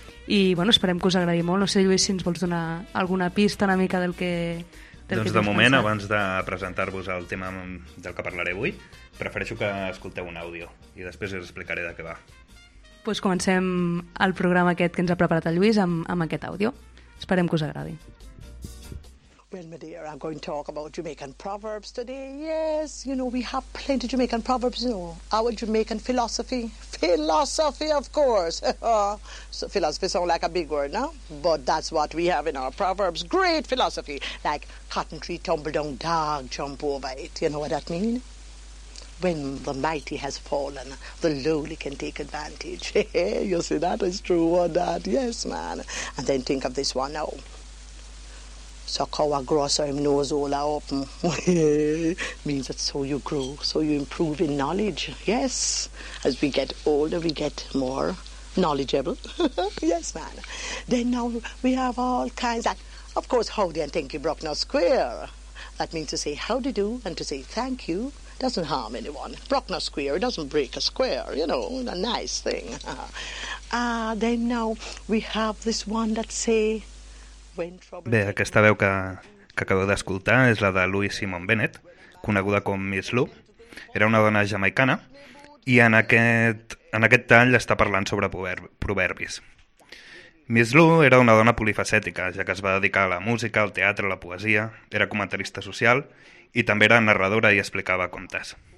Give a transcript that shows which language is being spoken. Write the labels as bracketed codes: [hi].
[ca] I bueno, esperem que us agradi molt. No sé, Lluís, si ens vols donar alguna pista una mica del que... Doncs de moment, abans de presentar-vos el tema del que parlaré avui, prefereixo que escolteu un àudio i després us explicaré de què va. Pues comencem el programa aquest que ens ha preparat el Lluís amb aquest àudio. Esperem que us agradi. [en] Well, my dear, I'm going to talk about Jamaican proverbs today. Yes, you know, we have plenty of Jamaican proverbs, you know. Our Jamaican philosophy. Philosophy, of course. So philosophy sounds like a big word, no? But that's what we have in our proverbs. Great philosophy. Like, cotton tree tumble down, dog jump over it. You know what that mean? When the mighty has fallen, the lowly can take advantage. You see, that is true, or that? Yes, man. And then think of this one now. So cow a grow, so him nose all a open. Means that so you grow, so you improve in knowledge. Yes, as we get older, we get more knowledgeable. Yes, man. Then now we have all kinds of, of course, howdy and thank you, Bruckner Square. That means to say howdy do and to say thank you doesn't harm anyone. Bruckner Square, it doesn't break a square, you know, a nice thing. Then now we have this one that say, [ca] bé, aquesta veu que acabeu d'escoltar és la de Louise Simon Bennett, coneguda com Miss Lou. Era una dona jamaicana i en aquest tall està parlant sobre proverbis. Miss Lou era una dona polifacètica, ja que es va dedicar a la música, al teatre, a la poesia, era comentarista social i també era narradora i explicava contes.